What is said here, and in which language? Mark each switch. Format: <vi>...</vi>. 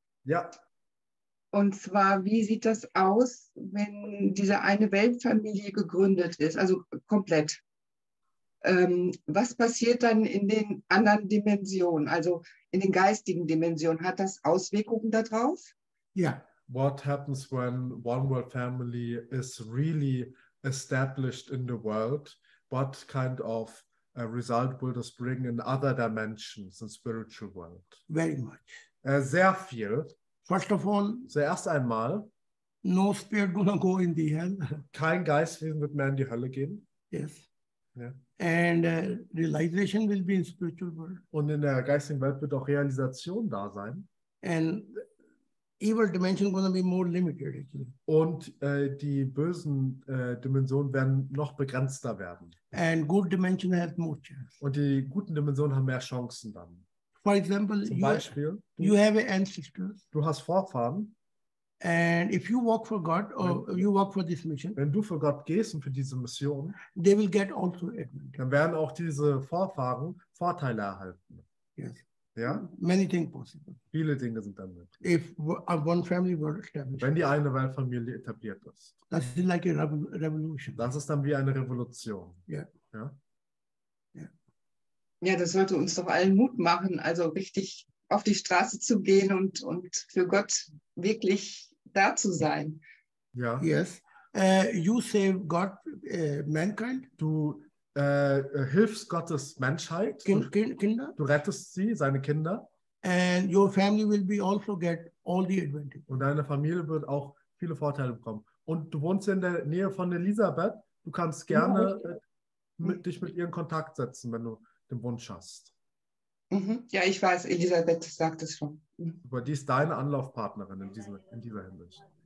<de>Ja. Und zwar, wie sieht das aus, wenn diese eine Weltfamilie gegründet ist, also komplett? Was passiert dann in den anderen Dimensionen, also in den geistigen Dimensionen? Hat das Auswirkungen darauf? Ja.</de> <en>What happens when One World Family is really established in the world? What kind of a result will this bring in other dimensions, in the spiritual world? Very much.</en> <de>Sehr viel.</de> <en>First of all,</en> <de>zuerst einmal,</de> <en>no spirit will go in the hell.</en> <de>Kein Geistwesen wird mehr in die Hölle gehen.</de> <en>Yes. Yeah. And realization will be in spiritual world.</en> <de>Und in der geistigen Welt wird auch Realisation da sein.</de> <en>And evil dimension gonna be more limited actually.</en> <de>Und die bösen Dimensionen werden noch begrenzter werden.</de> <en>And good dimension has more chance.</en> <de>Und die guten Dimensionen haben mehr Chancen dann.</de> <en>For example,</en> <de>Zum Beispiel,</de> <en>you have ancestors.</en> <de>Du hast Vorfahren.</de> <en>And if you work for God or you work for this mission,</en> <de>wenn du für Gott gehst und für diese Mission,</de> <en>they will get also advantage.</en> <de>Dann werden auch diese Vorfahren Vorteile erhalten.</de> <en>Yes.</en> <de>Ja?</de> <en>Many things possible.</en> <de>Viele Dinge sind dann möglich.</de> <en>If one family were established.</en> <de>Wenn die eine Weltfamilie etabliert ist.</de> <en>That is like a revolution.</en> <de>Das ist dann wie eine Revolution.</de> <en>Yeah.</en> <de>Ja. Ja, das sollte uns doch allen Mut machen, also richtig auf die Straße zu gehen und für Gott wirklich da zu sein. Ja.</de> <en>Yes. You save God, mankind.</en> <de>Du hilfst Gottes Menschheit. Kinder. Du rettest sie, seine Kinder.</de> <en>And your family will be also get all the advantage.</en> <de>Und deine Familie wird auch viele Vorteile bekommen. Und du wohnst in der Nähe von Elisabeth. Du kannst gerne dich mit ihr in Kontakt setzen, wenn du den Wunsch hast. Ja, ich weiß, Elisabeth sagt es schon. Aber die ist deine Anlaufpartnerin in dieser Hinsicht.</de>